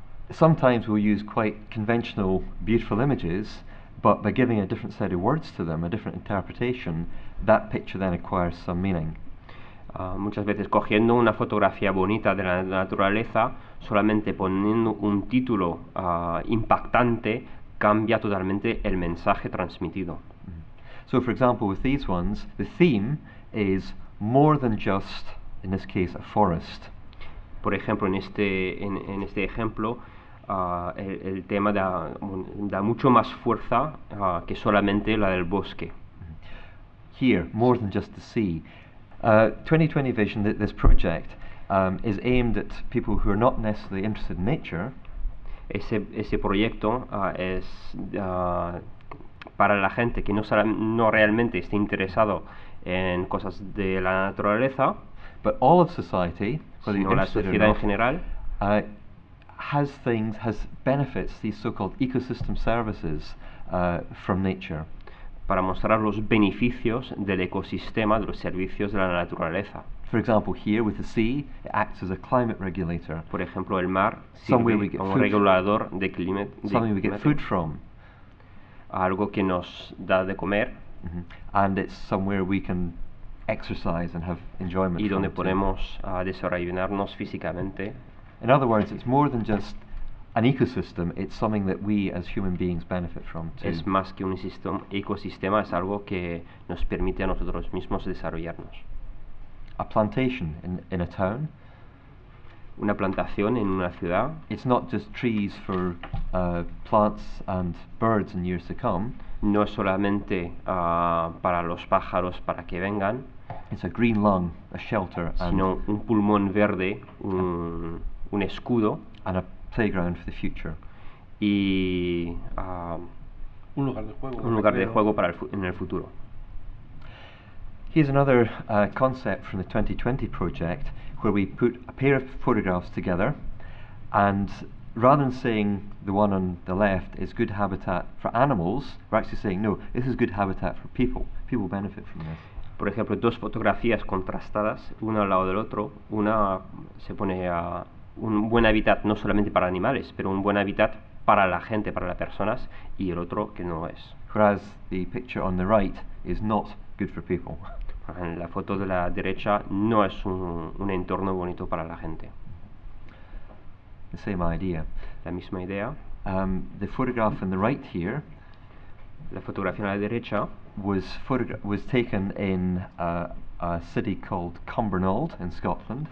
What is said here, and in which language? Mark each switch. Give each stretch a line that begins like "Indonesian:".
English: Sometimes we'll use quite conventional, beautiful images, but by giving a different set of words to them, a different interpretation, that picture then acquires some meaning.
Spanish: Muchas veces cogiendo una fotografía bonita de la naturaleza, solamente poniendo un título impactante, cambia totalmente el mensaje transmitido.
English: So for example, with these ones, the theme is more than just, in this case, a forest.
Spanish: Por ejemplo, en este ejemplo, el tema da mucho más fuerza que solamente la del bosque.
English: Here, more than just the sea. 2020 Vision, this project, is aimed at people who are not necessarily interested in nature.
Spanish: Ese proyecto es para la gente que no realmente esté interesado en cosas de la naturaleza.
English: But all of society, whether you're interested or not,
Spanish: la sociedad en general,
English: has benefits, these so-called ecosystem services, from nature.
Spanish: Para mostrar los beneficios del ecosistema, de los servicios de la naturaleza.
English: For example, here with the sea, it acts as a climate regulator.
Spanish: Por ejemplo, el mar sirve como regulador de clima.
English: Something we get food from.
Spanish: Algo que nos da de comer. Mm-hmm.
English: And it's somewhere we can exercise and have enjoyment.
Spanish: Y donde podemos desarrollarnos físicamente.
English: In other words, it's more than just an ecosystem, it's something that we as human beings benefit from too.
Spanish: Es más que un ecosistema, es algo que nos permite a nosotros mismos desarrollarnos.
English: A plantation in a town.
Spanish: Una plantación en una ciudad.
English: It's not just trees for plants and birds in years to come.
Spanish: No es solamente para los pájaros para que vengan.
English: It's a green lung, a shelter.
Spanish: Sino
English: and
Spanish: un pulmón verde, un escudo.
English: And a playground for the future.
Spanish: Y un lugar de juego. Un lugar de juego para en el futuro.
English: Here's another concept from the 2020 project, where we put a pair of photographs together, and rather than saying the one on the left is good habitat for animals, we're actually saying no, this is good habitat for people. People benefit from this.
Spanish: Por ejemplo, dos fotografías contrastadas, una al lado del otro, una se pone a un buen hábitat no solamente para animales, pero un buen hábitat para la gente, para las personas, y el otro que no es.
English: Whereas the picture on the right is not good for people.
Spanish: En la foto de la derecha no es un entorno bonito para la gente.
English: The same idea.
Spanish: La misma idea.
English: The photograph on the right here.
Spanish: La fotografía a la derecha
English: was taken in a city called Cumbernauld in Scotland.